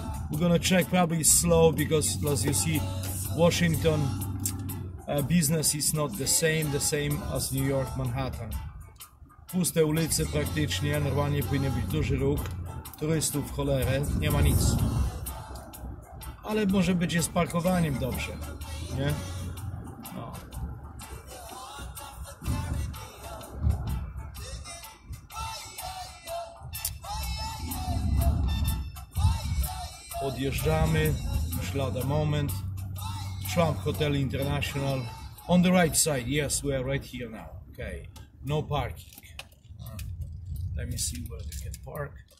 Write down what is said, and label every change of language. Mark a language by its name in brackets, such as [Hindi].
[English] We're gonna check probably slow because as you see, Washington business is not the same as New York, Manhattan. [Polish] Puste ulice praktycznie, normalnie powinien być duży ruch. Turystów w cholerę, nie ma nic. Ale może być z parkowaniem dobrze, nie? Odjeżdżamy, już lada moment. [English] Trump Hotel International. On the right side, yes, we are right here now. Okay, no parking. Let me see where we can park.